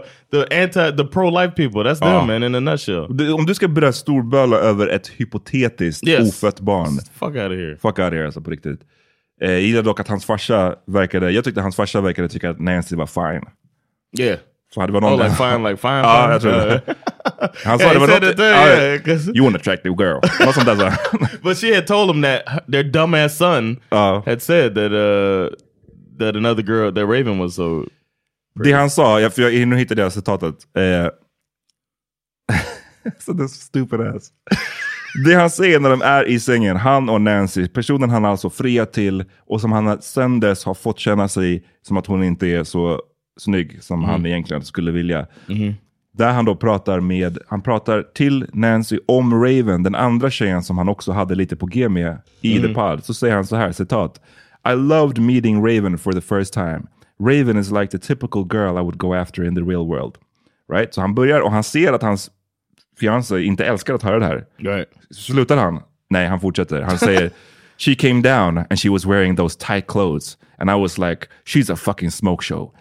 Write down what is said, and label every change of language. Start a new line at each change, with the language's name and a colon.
English: that's the pro-life people. That's them, man, in a nutshell.
Swedish: Om du ska börja storböla över ett hypotetiskt ofött barn.
English: Fuck out of here. Fuck out of here,
Swedish: alltså på riktigt. Jag gillar dock att hans farsa verkade, jag tyckte att hans farsa verkade tycka att Nancy var fine.
English: Yeah.
Swedish: Så hade det varit någon där. Fine. Ja, jag tror det. Han sa, yeah, det var något,
English: you an attractive girl. Något sånt där. But she had told him that their dumbass son had said that that another girl, that Raven was so pretty.
Swedish: Det han sa, jag hinner hitta deras citatet. Så det är så
English: stupid ass.
Swedish: Det han säger när de är i sängen, han och Nancy, personen han alltså fria till och som han sen dess har fått känna sig som att hon inte är så snygg som han egentligen skulle vilja. Där han då pratar med, han pratar till Nancy om Raven, den andra tjejen som han också hade lite på G med i The Pod. Så säger han så här, citat:
English: I loved meeting Raven for the first time. Raven is like the typical girl I would go after in the real world. Right?
Swedish: Så han börjar, och han ser att hans fiance inte älskar att höra det här.
English: Right.
Swedish: Slutar han? Nej, han fortsätter. Han säger,
English: she came down and she was wearing those tight clothes. And I was like, she's a fucking smoke show.